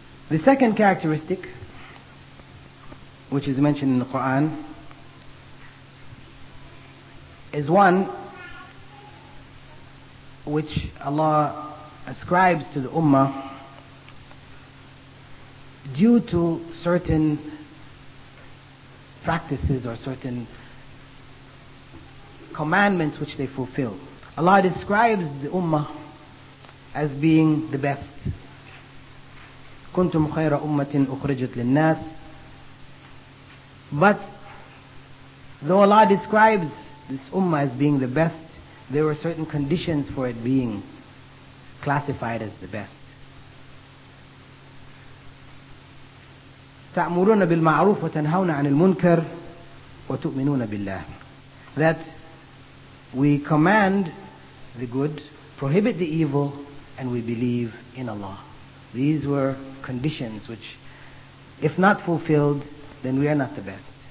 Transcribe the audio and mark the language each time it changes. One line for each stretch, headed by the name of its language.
English: The second characteristic, which is mentioned in the Quran, is one which Allah ascribes to the Ummah due to certain practices or certain commandments which they fulfill. Allah describes the Ummah as being the best.
Arabic: كنتم خير أمة أخرجت للناس.
English: But though Allah describes this Ummah as being the best, there were certain conditions for it being classified as the best.
Arabic: تأمرون بالمعروف وتنهون عن المنكر وتؤمنون بالله.
English: That we command the good, prohibit the evil, and we believe in Allah. These were conditions which, if not fulfilled, then we are not the best.